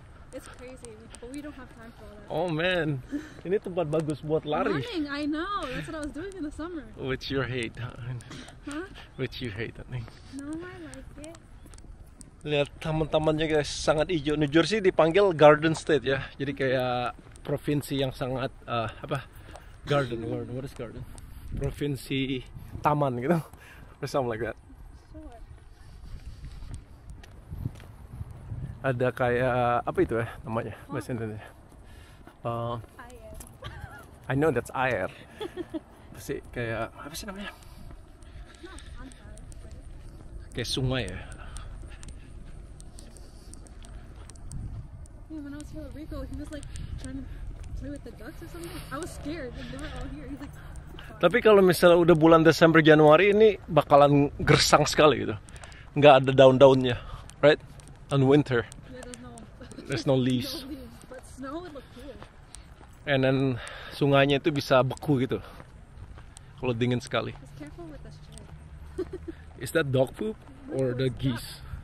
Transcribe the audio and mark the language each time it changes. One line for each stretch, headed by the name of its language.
English: It's crazy, but we don't have time for all that. Oh man,
Indonesian: ini tempat bagus buat lari.
English: Running, I know. That's what I was doing in the summer. Which you hate, huh? Which you hate, I think. No, I like it.
Indonesian: Lihat taman-tamannya guys, sangat hijau. New Jersey dipanggil Garden State ya, jadi kayak provinsi yang sangat
English: What is garden?
Indonesian: Provinsi taman gitu,
English: or something like that.
Indonesian: Ada kayak apa itu ya namanya bahasa Indonesia. Air.
English: I know that's air.
Indonesian: Pasti kayak apa sih namanya? Kayak sungai ya.
English: Yeah, when I was here with Rico, he was like trying to play with the ducks or something. I was scared and they were all here. He's like.
Indonesian: Tapi kalau misalnya udah bulan Desember Januari ini bakalan gersang sekali gitu. Nggak ada daun-daunnya,
English: right? And winter. There's no leaves. But snow would look cool. And then
Indonesian: sungainya itu bisa beku gitu. Kalau dingin sekali.
English: Just careful with the shit. Is that dog poop or the geese?